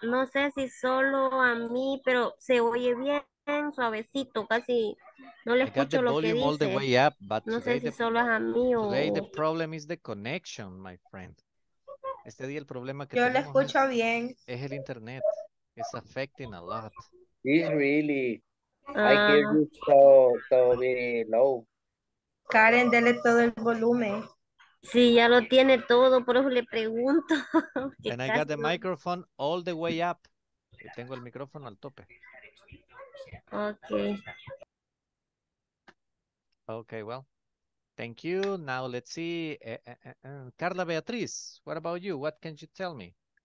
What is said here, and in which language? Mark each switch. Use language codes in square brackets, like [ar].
[es] No sé si solo a mí, pero se oye bien, suavecito, casi. No le escucho lo que dice. [en] I got the volume all the way up, but [es] no sé si solo es a mí o... [en] Today the problem is the connection, my friend. [es] Este día el problema que yo le escucho bien. Es el internet. [en] It's affecting a lot. It's really. I hear you so very low. [es] Karen, dele todo el volumen. Sí, ya lo tiene todo, por eso le pregunto. [en] And I got the microphone all the way up. [es] Y tengo el micrófono al tope. [en] Okay. Okay, well, thank you. Now let's see. Carla Beatriz, what about you? What can you tell me?